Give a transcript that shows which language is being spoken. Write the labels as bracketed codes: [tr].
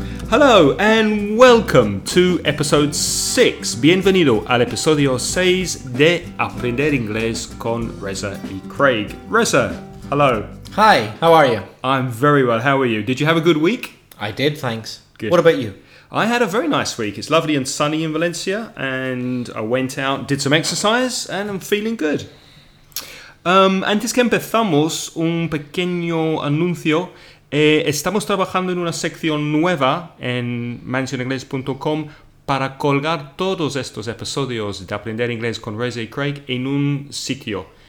[en] Hello and welcome to episode 6. [es] Bienvenido al episodio 6 de Aprender Inglés con Reza y Craig. [en] Reza, hello. Hi, how are you? I'm very well. How are you? Did you have a good week? I did, thanks. Good. What about you? I had a very nice week. It's lovely and sunny in Valencia, and I went out, did some exercise, and I'm feeling good. [es] Antes que empezamos, un pequeño anuncio. Estamos trabajando en una sección nueva en mansioningles.com para colgar todos estos episodios de Aprender Inglés con Reza y Craig en un sitio.